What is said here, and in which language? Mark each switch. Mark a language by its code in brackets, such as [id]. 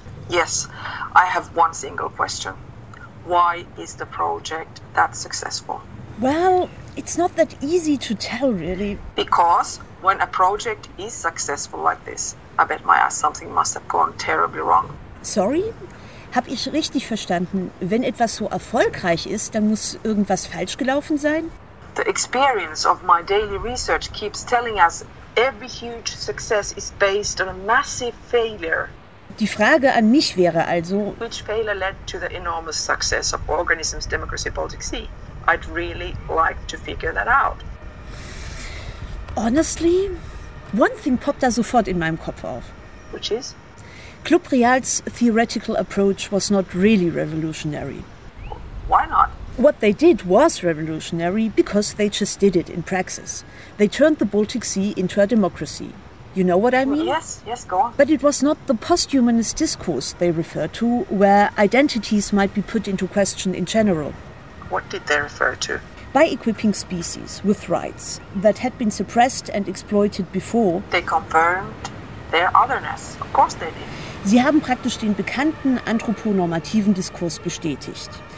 [en] Yes, I have one single question. Why is the project that successful? Well, it's not that easy to tell, really. Because when a project is successful like this, I bet my ass something must have gone terribly wrong. Sorry? [de] Hab ich richtig verstanden? Wenn etwas so erfolgreich ist, dann muss irgendwas falsch gelaufen sein? [en] The experience of my daily research keeps telling us every huge success is based on a massive failure. [de] Die Frage an mich wäre also, [en] which failure led to the enormous success of Organisms, Democracy, Baltic Sea? I'd really like to figure that out. Honestly, one thing popped [de] da sofort in meinem Kopf auf. [en] Which is? Club Real's theoretical approach was not really revolutionary. Why not? What they did was revolutionary because they just did it in praxis. They turned the Baltic Sea into a democracy. You know what I mean? Yes, yes, go on. But it was not the posthumanist discourse they referred to, where identities might be put into question in general. What did they refer to? By equipping species with rights that had been suppressed and exploited before. They confirmed their otherness. Of course they did. [de] Sie haben praktisch den bekannten anthroponormativen Diskurs bestätigt.